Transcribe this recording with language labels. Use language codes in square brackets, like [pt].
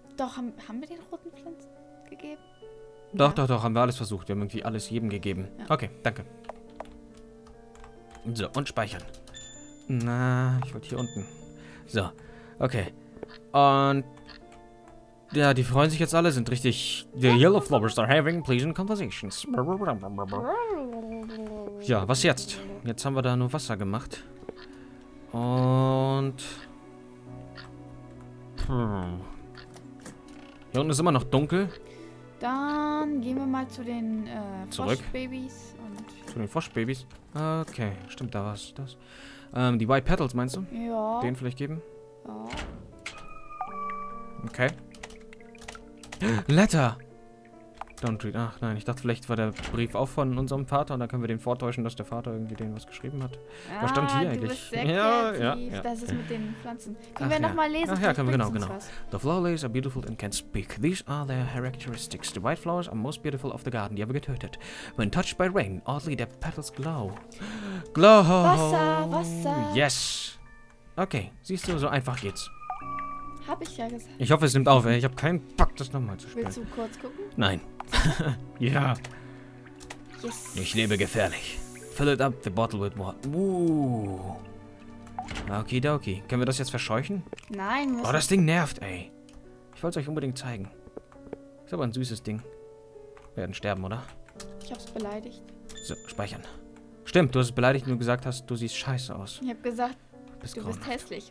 [de] Doch, haben wir den roten Pflanzen gegeben? Doch, ja. Doch, haben wir alles versucht. Wir haben irgendwie alles jedem gegeben. Ja. Okay, danke. So, und speichern. Na, ich wollte hier unten. So, okay. Und ja, die freuen sich jetzt alle, sind richtig. [en] The Yellow Flowers are having pleasant conversations. [de] Ja, was jetzt? Jetzt haben wir da nur Wasser gemacht. Und hier unten ist immer noch dunkel. Dann gehen wir mal zu den Froschbabys. Zu den Froschbabys? Okay, stimmt, da war es das. Die White Petals, meinst du? Ja. Den vielleicht geben? Ja. [en] Okay. Letter! Don't read. [de] Ach nein, ich dachte, vielleicht war der Brief auch von unserem Vater und dann können wir den vortäuschen, dass der Vater irgendwie denen was geschrieben hat. Ah, was stand hier eigentlich? Ja. Das ist mit den Pflanzen. Können wir nochmal lesen? Ach ja, können wir genau. [en] The flowers are beautiful and can speak. These are their characteristics. The white flowers are most beautiful of the garden, [de] die haben wir getötet. [en] When touched by rain, oddly their petals glow. Glow! [de] Wasser! [en] Yes! [de] Okay, siehst du, so einfach geht's. Hab ich ja gesagt. Ich hoffe, es nimmt auf, ey. Ich habe keinen Bock, das nochmal zu spielen. Willst du kurz gucken? Nein. Ja. Yes. Ich lebe gefährlich. [en] Fill it up the bottle with water. [de] Okidoki. Können wir das jetzt verscheuchen? Nein. Oh, das Ding nervt, ey. Ich wollte es euch unbedingt zeigen. Ist aber ein süßes Ding. Wir werden sterben, oder? Ich hab's beleidigt. So, speichern. Stimmt, du hast es beleidigt, wenn du gesagt hast, du siehst scheiße aus. Ich hab gesagt, du bist hässlich.